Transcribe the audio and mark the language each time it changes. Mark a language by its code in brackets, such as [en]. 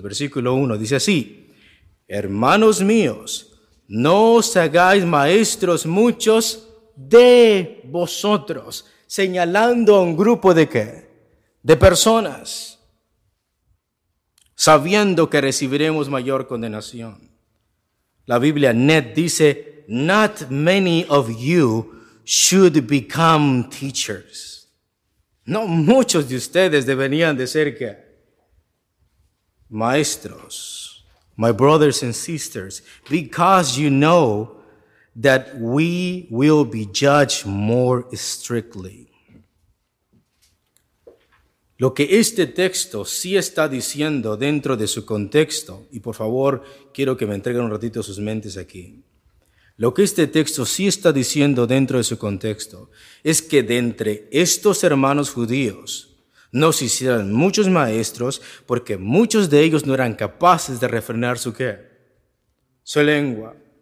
[es] Versículo 1 dice así. Hermanos míos, no os hagáis maestros muchos de vosotros. Señalando a un grupo de qué? De personas. Sabiendo que recibiremos mayor condenación. La Biblia NET dice, [en] not many of you should become teachers. [es] No muchos de ustedes deberían de ser ¿qué? Maestros. [en] My brothers and sisters, because you know that we will be judged more strictly. [es] Lo que este texto sí está diciendo dentro de su contexto, y por favor, quiero que me entreguen un ratito sus mentes aquí. Lo que este texto sí está diciendo dentro de su contexto es que de entre estos hermanos judíos no se hicieran muchos maestros porque muchos de ellos no eran capaces de refrenar su ¿qué? su lengua.